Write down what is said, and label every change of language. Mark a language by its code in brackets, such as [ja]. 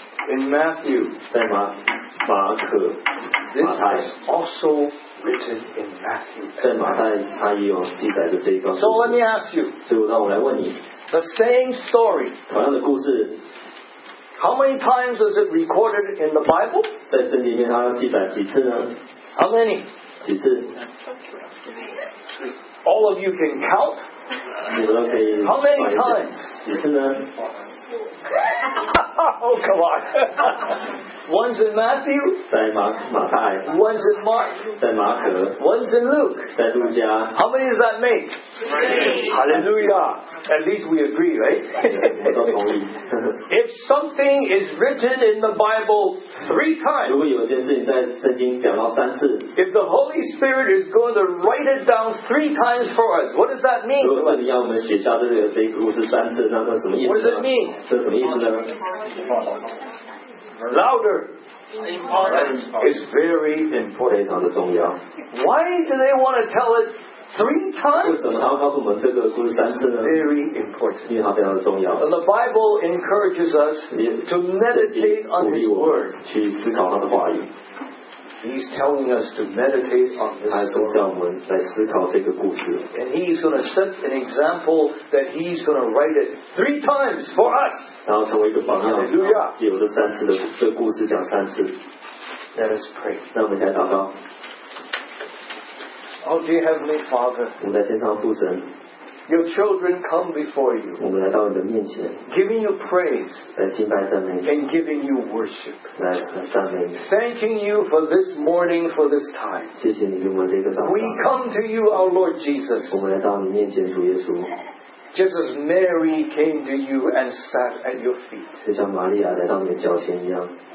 [en] In Matthew, this is also written in Matthew. So let me ask you. The same story. [zh] 同样的故事。 [en] How many times is it recorded in the Bible? [zh] 在圣经里面它要记载几次呢？ [en] How many? [zh] 几次？ [en] All of you can count. [zh] 你们都可以。 [en] How many times? [zh] 几次呢？ [en] Oh, come on. One's in Matthew. [zh] 在马太。 [en] One's in Mark. [zh] 在马可。 [en] One's in Luke. [zh] 在路加。 [en] How many does that make? Three. Hallelujah. At least we agree, right? [zh] 都同意。 [en] If something is written in the Bible three times, [zh] 如果有一件事情在圣经讲到三次， [en] if the Holy Spirit is going to write it down three times for us, what does that mean? [zh] 如果圣经要我们写下这个故事三次，那是什么意思呢？ [en] What does it mean? [zh] 这是什么意思呢？ [en] Louder. Important. It's very important. [zh] 非常的重要。 [en] Why do they want to tell it three times? [zh] 为什么他要告诉我们这个故事三次呢？ [en] Very important. [zh] 因为它非常的重要。 [en] And the Bible encourages us to meditate on His word. [zh] 去思考他的话语。 [en] He's telling us to meditate on this story. [zh] 他都叫我们来思考这个故事。 [en] And he's going to set an example that he's going to write it three times for us. [zh] 然后成为一个榜样。 [en] Hallelujah. [zh] 借由这三次的这故事讲三次。 [en] Let us pray. [zh] 那我们先祷告。 [en] Oh dear Heavenly Father. [zh] 我们在天上父神。 [en] Your children come before you. [zh] 我们来到你的面前。 [en] Giving you praise. [zh] 来敬拜赞美你。 [en] And giving you worship. [zh] 来赞美你。 [en] Thanking you for this morning, for this time. [zh] 谢谢你给我们这个早上。 [en] We come to you, our Lord Jesus. [zh] 我们来到你面前，主耶稣。 [en] Just as Mary came to you and sat at your feet. [zh] 就像玛利亚来到你的脚前一样。